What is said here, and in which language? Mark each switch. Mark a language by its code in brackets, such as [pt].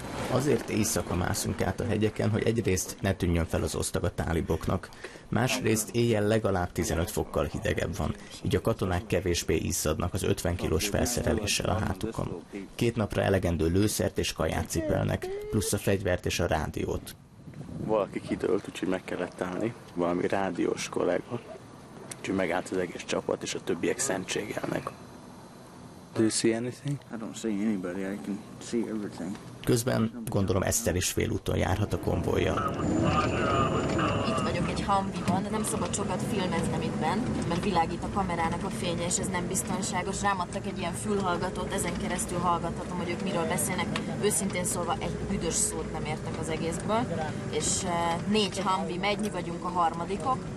[hu] Azért éjszaka mászunk át a hegyeken, hogy egyrészt ne tűnjön fel az osztag a táliboknak, másrészt éjjel legalább 15 fokkal hidegebb van, így a katonák kevésbé izzadnak az 50 kilós felszereléssel a hátukon. Két napra elegendő lőszert és kaját cipelnek, plusz a fegyvert és a rádiót. Valaki kidőlt, úgyhogy meg kellett állni, valami rádiós kollega, úgyhogy megállt az egész csapat és a többiek szentségelnek. [en] Do you see anything? I don't see anybody, I can see everything. [hu] Közben gondolom Eszter is félúton járhat a konvojjal. Itt vagyok egy Humvee-ban, de nem szabad sokat filmeznem itt bent, mert világít a kamerának a fénye, és ez nem biztonságos. Rám adtak egy ilyen fülhallgatót, ezen keresztül hallgathatom, hogy ők miről beszélnek. Őszintén szólva egy büdös szót nem értek az egészből, és négy Humvee megy, mi vagyunk a harmadikok.